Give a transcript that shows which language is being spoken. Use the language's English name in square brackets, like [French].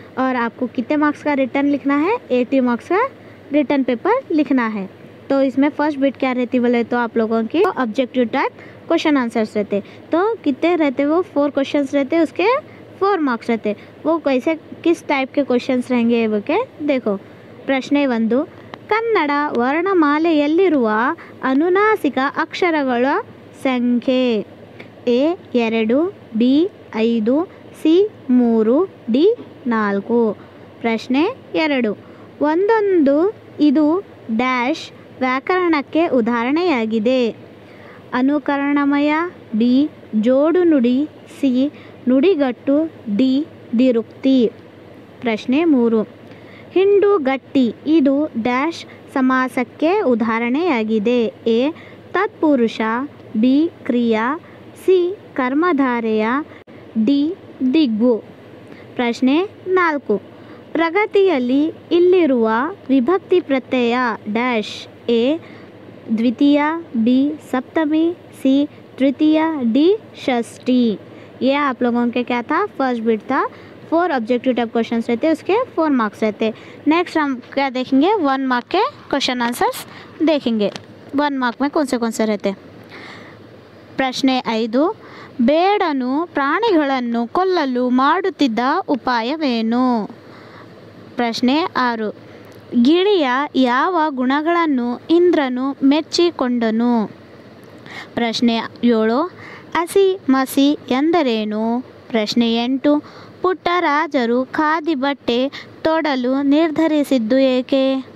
[Hindi] और आपको कितने मार्क्स का रिटर्न लिखना है? 80 मार्क्स का रिटर्न पेपर लिखना है। तो इसमें फर्स्ट बिट क्या रहती बोले तो आप लोगों की ऑब्जेक्टिव टाइप क्वेश्चन आंसर्स रहते, तो कितने रहते? वो 4 questions रहते, उसके 4 marks रहते। वो कैसे किस टाइप के questions रहेंगे वो के देखो। [Kannada] प्रश्न 1, ಕನ್ನಡ ವರ್ಣಮಾಲೆಯಲ್ಲಿರುವ ಅನುನಾಸಿಕ ಅಕ್ಷರಗಳ ಸಂಖ್ಯೆ ಎ 2 ಬಿ 5 ಸಿ 3 ಡಿ 4 ಪ್ರಶ್ನೆ 2 ಒಂದೊಂದು ಇದು ಡ್ಯಾಶ್ ವ್ಯಾಕರಣಕ್ಕೆ ಉದಾಹರಣೆಯಾಗಿದೆ ಅನುಕರಣಮಯ ಬಿ ಜೋಡು ನುಡಿ ಸಿ ನುಡಿಗಟ್ಟು ಡಿ ದಿರುಕ್ತಿ ಪ್ರಶ್ನೆ 3 ಹಿಂಡು ಗಟ್ಟಿ ಇದು ಡ್ಯಾಶ್ ಸಮಾಸಕ್ಕೆ ಉದಾಹರಣೆಯಾಗಿದೆ ಎ ತತ್ಪುರುಷ ಬಿ ಕ್ರಿಯಾ ಸಿ ಕರ್ಮಧಾರೆಯ ಡಿ ದಿಗ್ಗು ಪ್ರಶ್ನೆ 4 ಪ್ರಗತಿಯಲ್ಲಿ ಇಲ್ಲಿರುವ ವಿಭಕ್ತಿ ಪ್ರತ್ಯಯ ಡ್ಯಾಶ್ ಎ ದ್ವಿತೀಯ ಬಿ ಸಪ್ತಮಿ ಸಿ ತೃತೀಯ ಡಿ ಷಷ್ಠಿ [Hindi] ಎ ಆಪ್ ಲೋಗೊಂಕೆ ಕ್ಯಾ ಥಾ ಫಸ್ಟ್ ಬಿಟ್ ಥಾ 4 objective type questions रहते, उसके 4 marks रहते। नेक्स्ट हम क्या देखेंगे? 1 mark के क्वेश्चन आंसर्स देखेंगे। 1 mark में कौन से रहते? [Kannada] प्रश्न 5 ಬೇಡನು ಪ್ರಾಣಿಗಳನ್ನು ಕೊಲ್ಲಲು ಮಾಡುತ್ತಿದ್ದ ಉಪಾಯವೇನು ಪ್ರಶ್ನೆ 6 ಗಿಳಿಯ ಯಾವ ಗುಣಗಳನ್ನು ಇಂದ್ರನು ಮೆಚ್ಚಿಕೊಂಡನು ಪ್ರಶ್ನೆ 7 ಅಸಿ ಮಸಿ ಎಂದರೇನು ಪ್ರಶ್ನೆ 8 ಪುಟ್ಟರಾಜರು ಖಾದಿ ಬಟ್ಟೆ ತೊಡಲು ನಿರ್ಧರಿಸಿದ್ದು ಏಕೆ